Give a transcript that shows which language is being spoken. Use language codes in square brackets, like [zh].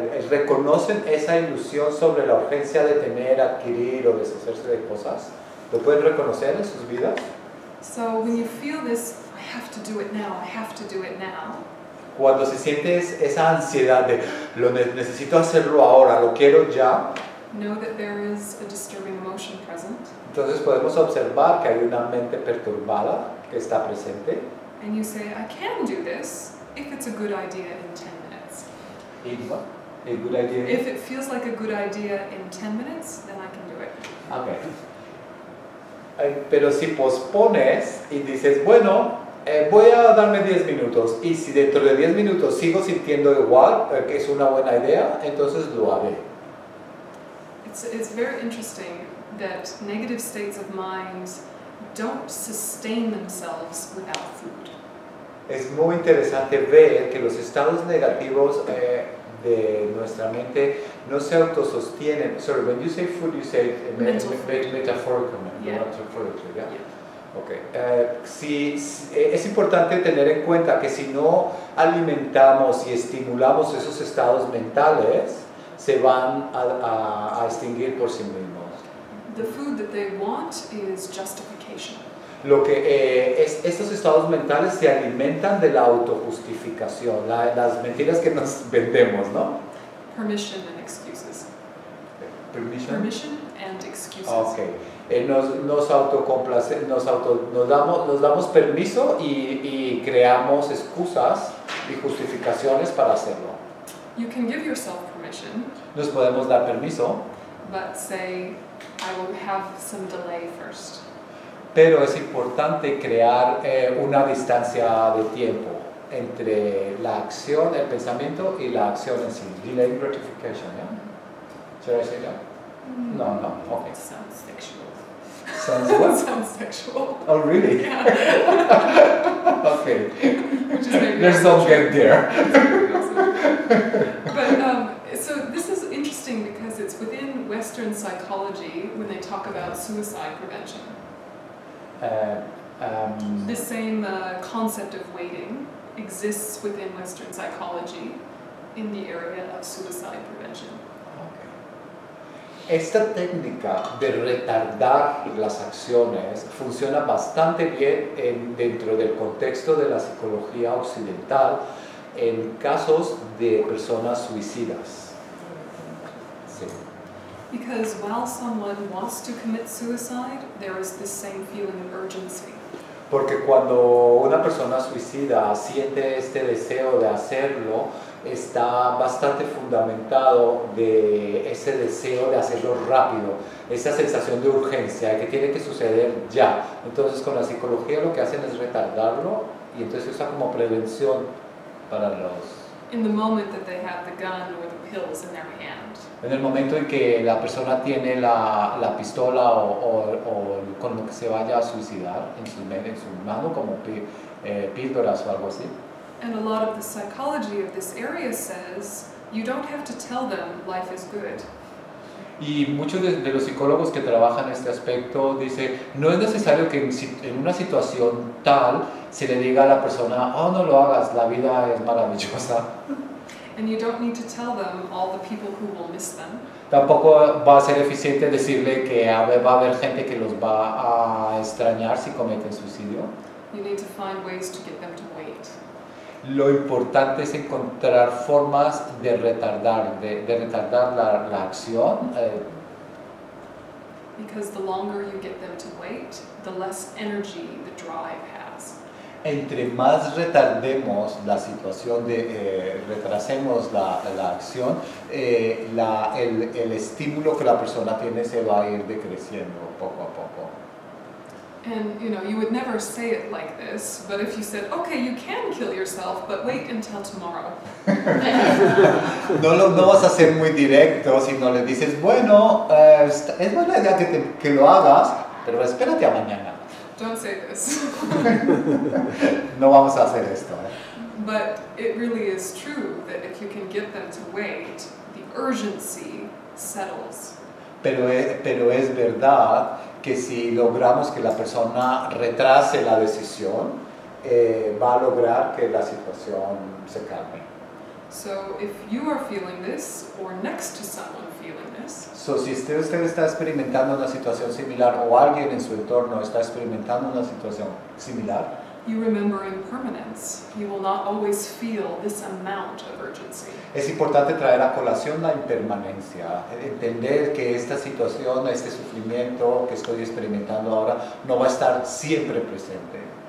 [es] Reconocen esa ilusión sobre la urgencia de tener, adquirir o deshacerse de cosas. ¿Lo pueden reconocer en sus vidas? [en] So when you feel this, I have to do it now. I have to do it now. [es] Cuando se siente esa ansiedad de lo necesito hacerlo ahora, lo quiero ya. [en] Know that there is a disturbing emotion present. [es] Entonces podemos observar que hay una mente perturbada que está presente. [en] And you say, I can do this. If it's a good idea in 10 minutes. A good idea. If it feels like a good idea in 10 minutes, then I can do it. Okay. [es] Pero si pospones y dices, bueno, voy a darme 10 minutos y si dentro de 10 minutos sigo sintiendo igual, que es una buena idea, entonces lo haré. [en] It's very interesting that negative states of mind don't sustain themselves without food. [es] Es muy interesante ver que los estados negativos de nuestra mente no se autosostienen. [en] Sorry, when you say food, you say metaphorically, yeah. Okay. [es] Es importante tener en cuenta que si no alimentamos y estimulamos esos estados mentales, se van a extinguir por sí mismos. [en] The food that they want is justification. [es] Lo que estos estados mentales se alimentan de la autojustificación, las mentiras que nos vendemos, ¿no? [en] Permission and excuses. Permission and excuses. Okay. [es] Nos damos permiso y creamos excusas y justificaciones para hacerlo. [en] You can give yourself permission. [es] Nos podemos dar permiso. [en] But say, I will have some delay first. [es] Pero es importante crear una distancia de tiempo entre la acción, el pensamiento y la acción en sí. [en] Delay gratification, [es] ¿ya? ¿Será así ya? [en] No. Okay. It sounds sexual. Sounds what? It sounds sexual. Oh, really? Yeah. Okay. There's no gap there. So this is interesting because it's within Western psychology when they talk about suicide prevention. The same concept of waiting exists within Western psychology in the area of suicide prevention. Okay. [es] Esta técnica de retardar las acciones funciona bastante bien dentro del contexto de la psicología occidental en casos de personas suicidas. [en] Because while someone wants to commit suicide, there is this same feeling of urgency. [es] Porque cuando una persona suicida siente este deseo de hacerlo, está bastante fundamentado de ese deseo de hacerlo rápido, esa sensación de urgencia que tiene que suceder ya. Entonces, con la psicología lo que hacen es retardarlo y entonces usa como prevención para los [en] in the moment that they have the gun or the pills in their hand. [es] En el momento en que la persona tiene la pistola o con lo que se vaya a suicidar en su mano, como píldoras o algo así. [en] And a lot of the psychology of this area says you don't have to tell them life is good. [es] Y muchos de los psicólogos que trabajan este aspecto dice, no es necesario que en una situación tal se le diga a la persona, oh, no lo hagas, la vida es maravillosa. [en] And you don't need to tell them all the people who will miss them. [es] Tampoco va a ser eficiente decirle que va a haber gente que los va a extrañar si cometen suicidio. [en] You need to find ways to get them to wait. [es] Lo importante es encontrar formas de retardar, de retardar la acción. [en] Because the longer you get them to wait, the less energy the drive has. [es] Entre más retardemos la situación, retrasemos la acción, el estímulo que la persona tiene se va a ir decreciendo poco a poco. [en] And you know, you would never say it like this, but if you said, okay, you can kill yourself, but wait until tomorrow. [es] No vas a ser muy directo si no le dices, bueno, es buena idea que lo hagas, pero espérate a mañana. [en] Don't say this. [es] No vamos a hacer esto. [en] But it really is true that if you can get them to wait, the urgency settles. [es] Pero es verdad que si logramos que la persona retrase la decisión, va a lograr que la situación se calme. [en] So if you are feeling this, or next to someone feeling this, [es] so si usted está experimentando una situación similar o alguien en su entorno está experimentando una situación similar, [en] you remember impermanence. You will not always feel this amount of urgency. [es] Es importante traer a colación la impermanencia. Entender que esta situación, este sufrimiento que estoy experimentando ahora, no va a estar siempre presente.